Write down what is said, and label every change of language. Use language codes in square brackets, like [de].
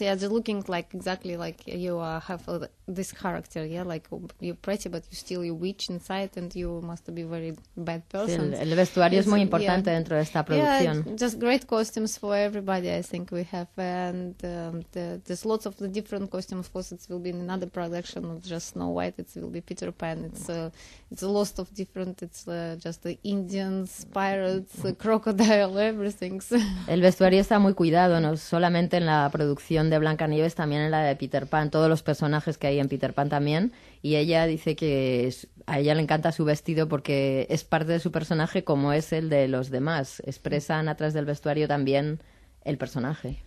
[en] Yeah, they're looking like exactly like you have this character. Yeah, like you're pretty, but you still you're witch inside, and you must be very bad person. [es] Sí, el vestuario es muy importante dentro de esta producción. [en] Yeah, just great costumes for everybody. I think we have, and there's lots of the different costumes. Of course, it will be in another production of just Snow White, it will be Peter Pan. It's a lot of different. It's just the Indians, pirates, the crocodile, everything. [es] El vestuario está muy cuidado, no solamente en la producción de Blancanieves, también en la de Peter Pan, todos los personajes que hay en Peter Pan también. Y ella dice que a ella le encanta su vestido porque es parte de su personaje como es el de los demás. Expresan atrás del vestuario también el personaje.